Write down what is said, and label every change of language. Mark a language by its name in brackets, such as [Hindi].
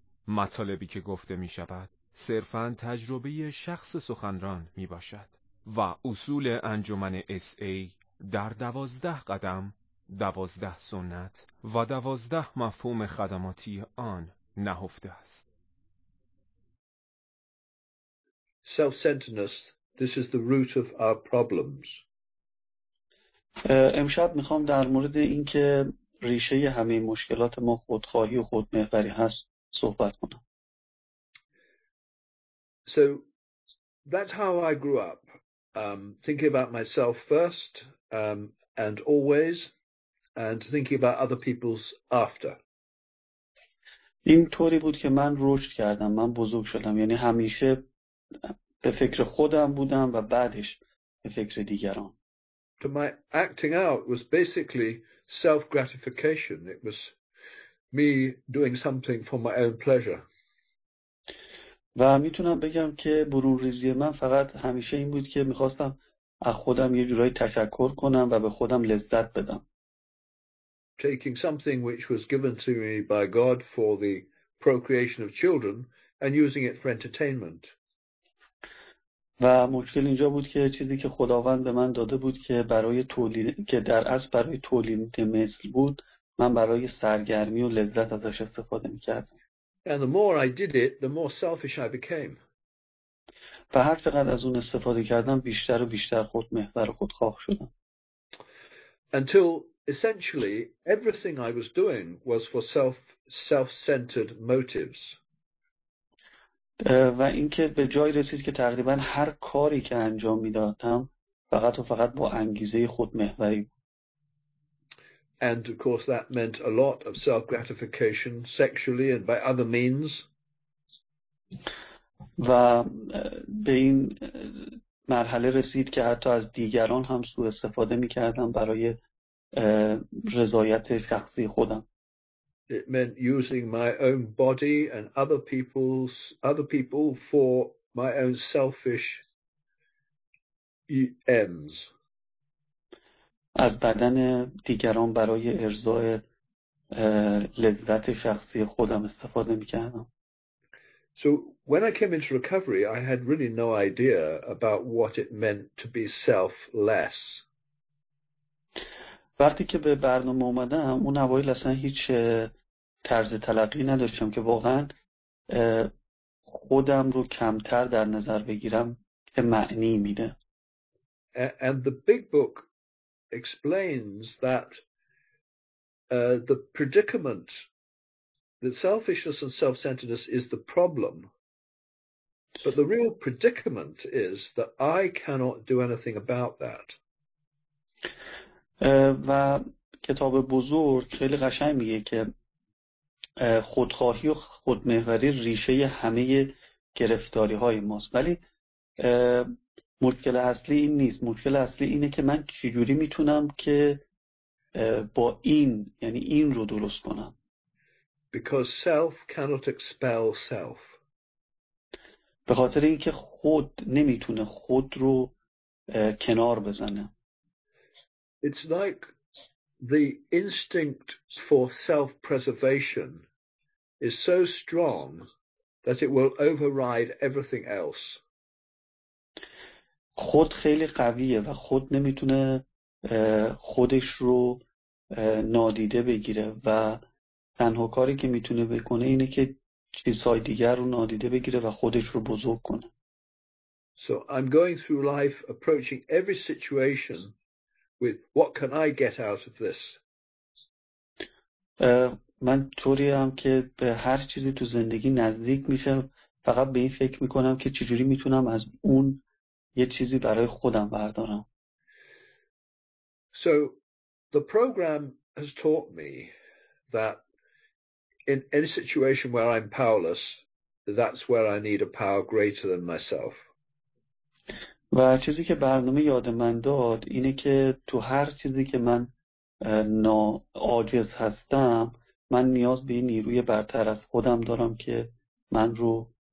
[Persian] مطالبی که گفته می‌شود صرفاً تجربه شخص سخنران می‌باشد و اصول انجمن SA در 12 قدم، 12 سنت و 12 مفهوم خدماتی آن نهفته است. [English] Self-centeredness, this is the root of our problems. [Persian] امشب میخوام در مورد اینکه ریشه همه مشکلات ما خودخواهی و خودمحوری هست صحبت کنم. [English] So that's how I grew up, thinking about myself first, and always, and thinking about other people's after. [Persian] این طوری بود که من رشد کردم، من بزرگ شدم، یعنی همیشه به فکر خودم بودم و بعدش به فکر دیگران. [English] To my acting out was basically self-gratification. It was me doing something for my own pleasure. [Persian] و میتونم بگم که برون ریزی من فقط همیشه این بود که میخواستم از خودم یه جورایی تشکر کنم و به خودم لذت بدم. [English] Taking something which was given to me by God for the procreation of children and using it for entertainment. [Persian] و مشکل اینجا بود که چیزی که خداوند به من داده بود که برای تولید که در اصل برای تولید مثل بود، من برای سرگرمی و لذت ازش استفاده می‌کردم. [English] And the more I did it, the more selfish I became. [Persian] و هر چقدر از اون استفاده کردم، بیشتر و بیشتر خودمحور و خودخواه شدم. [English] Until essentially everything I was doing was for self-centered motives. [Persian] و اینکه به جای رسید که تقریبا هر کاری که انجام میدادم فقط و فقط با انگیزه خودمحوری بود. [English] And of course that meant a lot of self-gratification sexually and by other means. [Persian] و به این مرحله رسید که حتی از دیگران هم سوء استفاده میکردم برای رضایت شخصی خودم. [English] It meant using my own body and other people for my own selfish ends. [Persian] از بدن دیگران برای ارضای لذت شخصی خودم استفاده می‌کردم. [English] So when I came into recovery, I had really no idea about what it meant to be selfless. [Persian] وقتی که به برنامه اومدم، اون اوایل اصلا هیچ طرز تلقی نداشتم که واقعا خودم رو کمتر در نظر بگیرم که معنی میده. [English] And the big book explains that the predicament, the selfishness and self-centeredness is the problem. But the real predicament is that I cannot do anything about that. [Persian] و کتاب بزرگ خیلی قشنگ میگه که خودخواهی و خودمحوری ریشه همه گرفتاری های ماست، ولی مشکل اصلی این نیست. مشکل اصلی اینه که من چجوری میتونم که با این، یعنی این رو درست کنم. [English] Because self cannot expel self. [Persian] به خاطر اینکه خود نمیتونه خود رو کنار بزنه. [English] It's like the instinct for self-preservation is so strong that it will override everything else. [Persian] خود خیلی قویه و خود نمیتونه خودش رو نادیده بگیره و تنها کاری که میتونه بکنه اینه که چیزهای دیگر رو نادیده بگیره و خودش رو بزرگ کنه. [English] So I'm going through life approaching every situation with what can I get out of this? [Persian] من طوری هم که به هر چیزی تو زندگی نزدیک میشم فقط به این فکر میکنم که چجوری میتونم از اون یه چیزی برای خودم بردارم. [English] So the program has taught me that in any situation where I'm powerless, that's where I need a power greater than myself. [Persian] و چیزی که برنامه یاد من داد اینه که تو هر چیزی که من ناعاجز هستم، من نیاز به نیروی برتر از خودم دارم که من رو